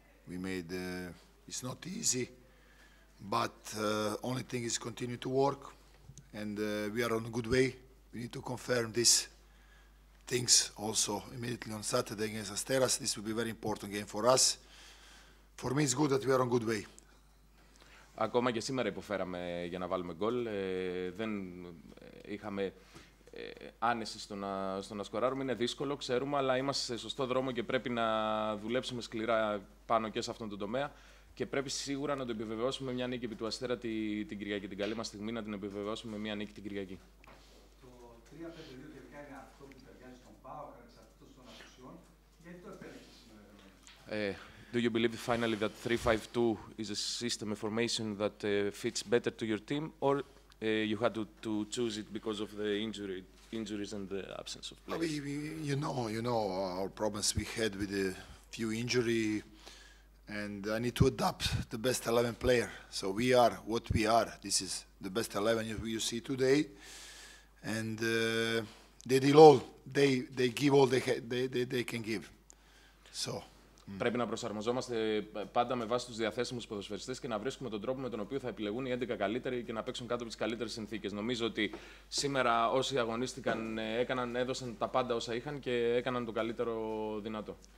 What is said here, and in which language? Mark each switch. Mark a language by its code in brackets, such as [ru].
[en] We made it's not easy, but only thing is continue to work, and we are on a good way. We need to confirm these things also immediately on Saturday against Asteras. This will be a very important game for us. For me, it's good that we are on a good way. [el] Ακόμα και σήμερα υποφέραμε για να βάλουμε γκολ. Δεν είχαμε άνεση στο να σκοράρουμε. Είναι δύσκολο, ξέρουμε, αλλά είμαστε σε σωστό δρόμο και πρέπει να δουλέψουμε σκληρά πάνω και σε αυτόν τον τομέα. Και πρέπει σίγουρα να το επιβεβαιώσουμε μια νίκη επί του Αστέρα την Κυριακή. Την καλή μας στιγμή να την επιβεβαιώσουμε μια νίκη την Κυριακή. Το 3-5-2 τελικά είναι αυτό που ταιριάζει στον ΠΑΟΚ, ανεξαρτήτως των απουσιών. Γιατί το επέλεξε σήμερα? [en] Do you believe finally that 3-5-2 is a system a formation that fits better to your team, or you had to choose it because of the injuries and the absence of players? You know our problems we had with a few injury, and I need to adapt the best 11 player. So we are what we are. This is the best 11 you see today, and they did all. They give all they can give. So. [el] Πρέπει να προσαρμοζόμαστε πάντα με βάση τους διαθέσιμους ποδοσφαιριστές και να βρίσκουμε τον τρόπο με τον οποίο θα επιλεγούν οι 11 καλύτεροι και να παίξουν κάτω από τις καλύτερες συνθήκες. Νομίζω ότι σήμερα όσοι αγωνίστηκαν έδωσαν τα πάντα όσα είχαν και έκαναν το καλύτερο δυνατό.